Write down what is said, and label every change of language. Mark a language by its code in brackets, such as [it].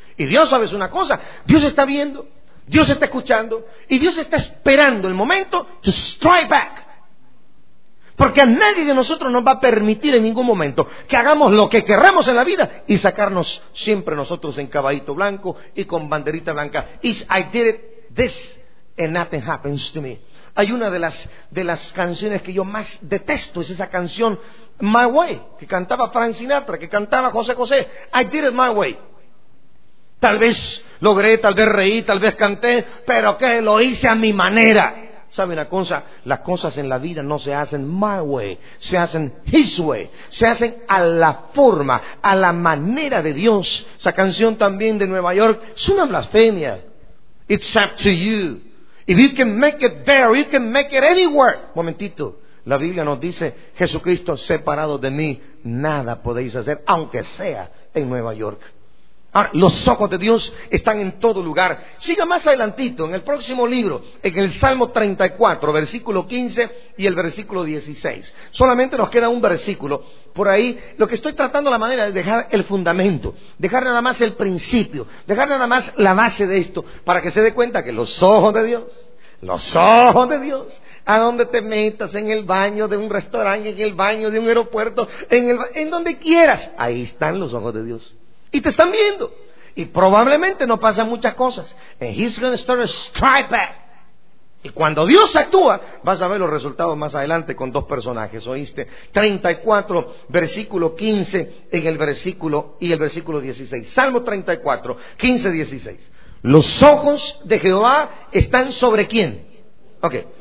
[es] Y Dios, ¿sabes una cosa? Dios está viendo, Dios está escuchando, y Dios está esperando el momento [en] to strike back. [es] Porque a nadie de nosotros nos va a permitir en ningún momento que hagamos lo que queramos en la vida y sacarnos siempre nosotros en caballito blanco y con banderita blanca. [en] It's, I did it, this, and nothing happens to me. [es] Hay una de las canciones que yo más detesto, es esa canción My Way, que cantaba Frank Sinatra, que cantaba José José. [en] I did it my way. [es] Tal vez logré, tal vez reí, tal vez canté, pero que lo hice a mi manera. ¿Sabe una cosa? Las cosas en la vida no se hacen [en] my way, [es] se hacen [en] his way, [es] se hacen a la forma, a la manera de Dios. Esa canción también de Nueva York es una blasfemia. [en] It's up to you. If you can make it there, you can make it anywhere. [es] Momentito, la Biblia nos dice, Jesucristo separado de mí, nada podéis hacer, aunque sea en Nueva York. Ahora, los ojos de Dios están en todo lugar. Siga más adelantito, en el próximo libro, en el Salmo 34, versículo 15 y el versículo 16. Solamente nos queda un versículo. Por ahí, lo que estoy tratando la manera de dejar el fundamento, dejar nada más el principio, dejar nada más la base de esto, para que se dé cuenta que los ojos de Dios, a donde te metas, en el baño de un restaurante, en el baño de un aeropuerto, en donde quieras, ahí están los ojos de Dios. Y te están viendo. Y probablemente no pasan muchas cosas. [en] And he's going to start a strike back. [es] Y cuando Dios actúa, vas a ver los resultados más adelante con dos personajes. ¿Oíste? 34, versículo 15, en el versículo y el versículo 16. Salmo 34, 15, 16. Los ojos de Jehová están sobre ¿quién? Ok.